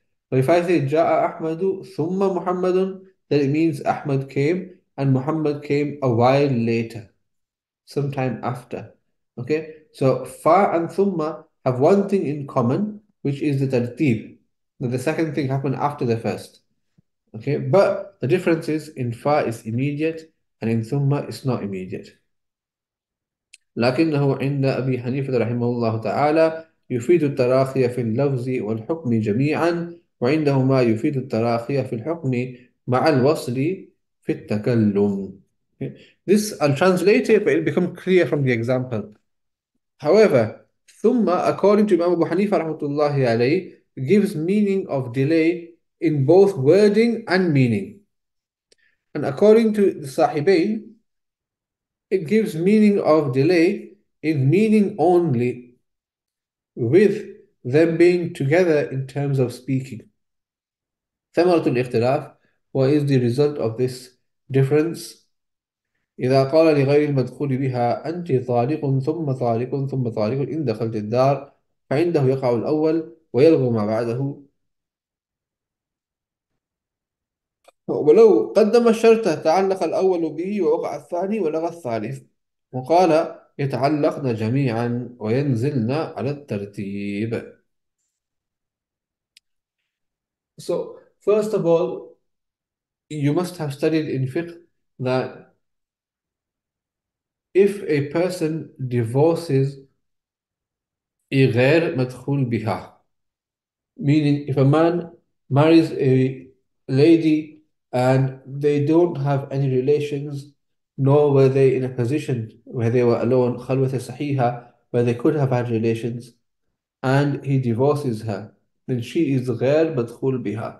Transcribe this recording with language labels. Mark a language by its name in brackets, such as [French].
[English] But if I say [Arabic] جاء أحمد ثم محمد, [English] then it means Ahmed came and Muhammad came a while later, sometime after. Okay, so fa and thumma have one thing in common, which is the tartib, that the second thing happened after the first. Okay, but the difference is in fa is immediate and in thumma is not immediate. [Arabic] لكنه عند أبي حنيفة رحمه الله تعالى يفيد التراخي في اللفظ والحكم جميعا, وعندهما يفيد التراخي في الحكم مع الوصل في التكلم. [English] Okay. This, I'll translate it, but it'll become clear from the example. However, ثم, according to Imam Abu Hanifa [Arabic] رحمه الله عليه, [English] gives meaning of delay in both wording and meaning. And according to the Sahibain, it gives meaning of delay in meaning only, with them being together in terms of speaking. [Arabic] ثمرة الاختلاف, [English] what is the result of this difference? [Arabic] إذا قال لغير المدخول بها أنت طالق ثم طالق ثم طالق إن دخلت الدار, فعنده يقع الأول ويلغو ما بعده. ولو قدم الشرط تعلق الأول به ووقع الثاني ولغى الثالث, وقال يتعلقن جميعا وينزلن على الترتيب. [English] So first of all, you must have studied in fiqh that if a person divorces [Arabic] غير مدخول بها, [English] meaning if a man marries a lady and they don't have any relations, nor were they in a position where they were alone, [Arabic] خلوة صحيحة, [English] where they could have had relations, and he divorces her, then she is غير مدخول بها.